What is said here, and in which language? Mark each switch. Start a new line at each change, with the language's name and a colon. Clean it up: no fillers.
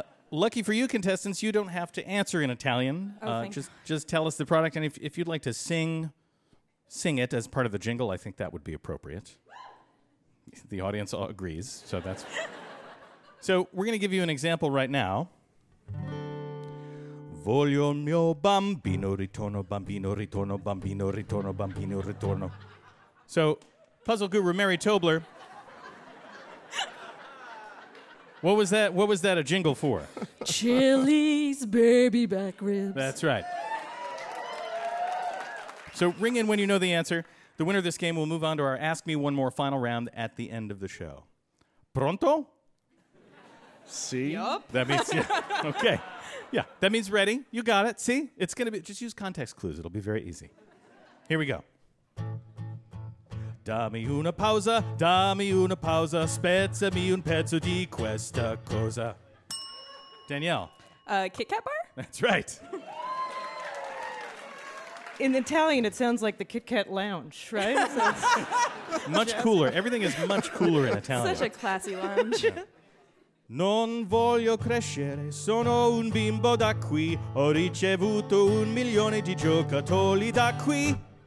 English: Lucky for you, contestants, you don't have to answer in Italian. Oh, just tell us the product, and if you'd like to sing it as part of the jingle, I think that would be appropriate. The audience all agrees, so that's... So, we're going to give you an example right now.
Italian: Voglio il mio bambino ritorno, bambino ritorno, bambino ritorno, bambino ritorno.
English: So, puzzle guru Mary Tobler. What was that? What was that a jingle for? Chili's baby back ribs. That's right. So, ring in when you know the answer. The winner of this game will move on to our Ask Me One More final round at the end of the show.
Italian: Pronto?
English: See? Yup. That means, yeah. Okay. Yeah, that means ready. You got it. See? It's going to be, just use context clues. It'll be very easy. Here we go.
Italian: Dammi una pausa, spezzami un pezzo di questa cosa.
English: Danielle. Kit Kat bar? That's right. In Italian, it sounds like the Kit Kat lounge, right? So much cooler. Everything is much cooler in Italian. Such a classy lounge. Yeah.
Italian: Non voglio crescere, sono un bimbo da qui. Ho ricevuto un milione di giocattoli da qui.